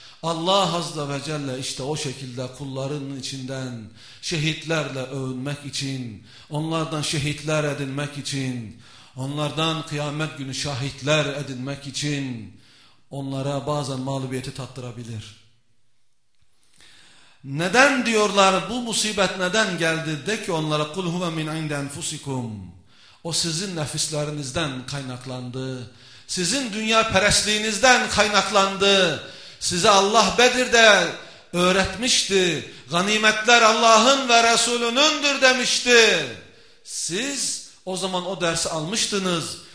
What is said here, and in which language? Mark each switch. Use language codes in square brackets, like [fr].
[tr] Allah Azze ve Celle işte o şekilde kullarının içinden şehitlerle övünmek için, onlardan şehitler edinmek için, onlardan kıyamet günü şahitler edinmek için onlara bazen mağlubiyeti tattırabilir. Neden diyorlar bu musibet neden geldi? De ki onlara [ar] قُلْ هُوَ مِنْ عِنْدَ اَنْفُسِكُمْ. [tr] O sizin nefislerinizden kaynaklandı. Sizin dünya perestliğinizden kaynaklandı. Size Allah Bedir'de öğretmişti. Ganimetler Allah'ın ve Resulünündür demişti. Siz o zaman o dersi almıştınız.